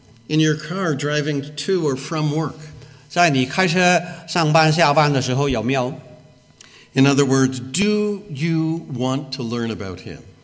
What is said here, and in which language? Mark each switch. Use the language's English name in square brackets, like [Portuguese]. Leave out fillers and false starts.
[English] In your car driving to or from work. [Chinese] 在你开车上班下班的时候有没有？ [English] In other words, do you want to learn about him?